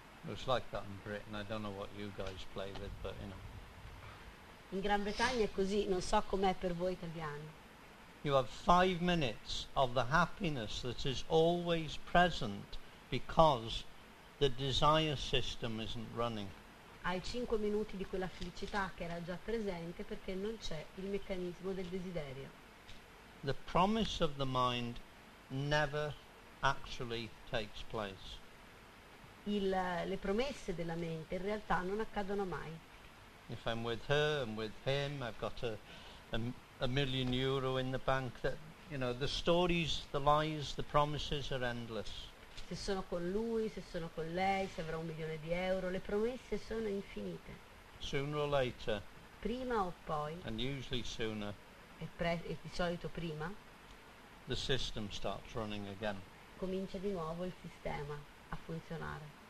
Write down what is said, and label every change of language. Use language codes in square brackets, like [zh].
[en] It's like that in Britain, I don't know what you guys play with, but you know. [it] In Gran Bretagna è così, non so com'è per voi italiani. [en] You have 5 minutes of the happiness that is always present because the desire system isn't running. [it] Hai 5 minuti di quella felicità che era già presente perché non c'è il meccanismo del desiderio. [en] The promise of the mind never actually takes place. [it] Le promesse della mente in realtà non accadono mai. [en] If I'm with her and with him, I've got a million euro in the bank, that, you know, the stories, the lies, the promises are endless. [it] Se sono con lui, se sono con lei, se avrò 1 milione di euro, le promesse sono infinite. [en] Sooner or later. [it] Prima o poi. [en] And usually sooner. [it] E di solito prima. [en] The system starts running again. [it] Comincia di nuovo il sistema a funzionare.